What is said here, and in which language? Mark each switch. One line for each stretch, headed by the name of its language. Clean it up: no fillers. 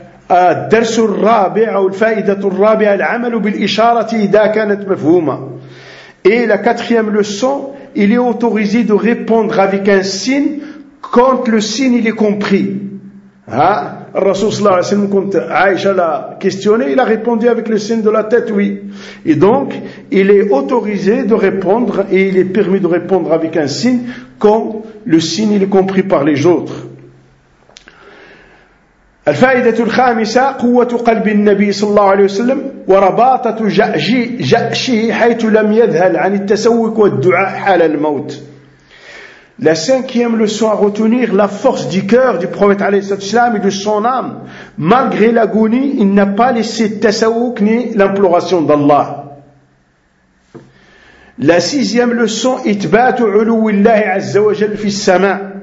Arabic: الدرس الرابع أو الفائدة الرابعة العمل بالإشارة إذا كانت مفهومة.
French: Et la quatrième leçon, il est autorisé de répondre avec un signe quand le signe il est compris. Rasoul sallallahu alayhi wa sallam, quand Aïcha l'a questionné, il a répondu avec le signe de la tête, oui. Et donc, il est autorisé de répondre et il est permis de répondre avec un signe quand le signe il est compris par les autres.
Arabic: الفائدة الخامسة قوة قلب النبي صلى الله عليه وسلم ورباطة جأشه حيث لم يذهل عن التسوك والدعاء حال الموت.
French: La cinquième leçon à retenir, la force du cœur du prophète alayhi salatu wassalam et de son âme. Malgré l'agonie, il n'a pas laissé tasawuk ni l'imploration d'Allah. La sixième leçon,
Arabic: itbatu uluwillahi azza wa jal fi sama.